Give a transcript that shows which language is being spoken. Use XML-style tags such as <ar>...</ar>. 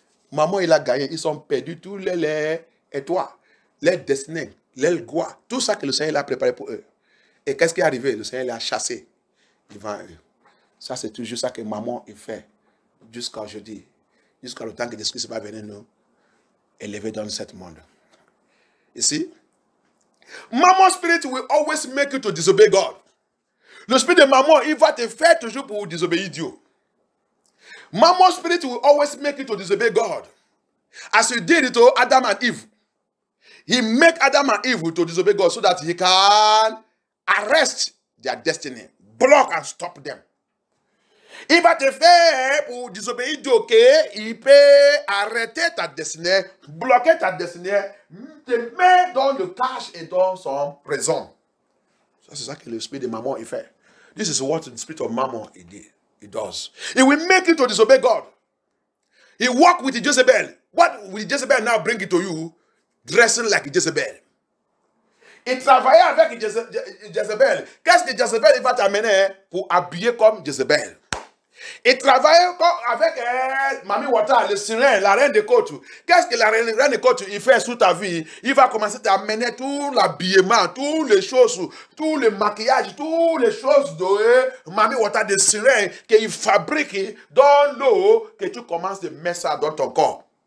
<fr>Mammon, il a gagné. Ils ont perdu tous les étoiles, les destinées, les gloires, tout ça que le Seigneur a préparé pour eux. Et qu'est-ce qui est arrivé? Le Seigneur l'a chassé devant eux. Ça, c'est toujours ça que Mammon fait jusqu'à aujourd'hui, jusqu'à le temps que Jésus va venir nous élever dans ce monde.</fr> <en>Ici, Mammon spirit will always make you to disobey God.</en> <fr>Le spirit de Mammon, il va te faire toujours pour désobéir Dieu.</fr> <en>Mammon spirit will always make you to disobey God. As he did it to Adam and Eve. He make Adam and Eve to disobey God so that he can arrest their destiny. Block and stop them.</en> <fr>Il va te faire pour désobéir Dieu, ok? Il peut arrêter ta destinée, bloquer ta destinée, te mettre dans le cache et dans son présent. Ça, c'est ça que le spirit de Mammon il fait.</fr> <en>This is what the spirit of Mammon he does. He will make you to disobey God. He walk with Jezebel. What will Jezebel now bring it to you? Dressing like Jezebel.</en> <fr>Il travaille avec Jezebel. Qu'est-ce que Jezebel va t'amener pour habiller comme Jezebel? Il travaille avec Mami Water, le sirène, la reine des côtes. Qu'est-ce que la reine des côtes il fait sous ta vie? Il va commencer à t'amener tout l'habillement, toutes les choses, tout le maquillage, toutes les choses de Mami Water, de sirène, qu'il fabrique dans l'eau, que tu commences à mettre ça dans ton corps.</fr>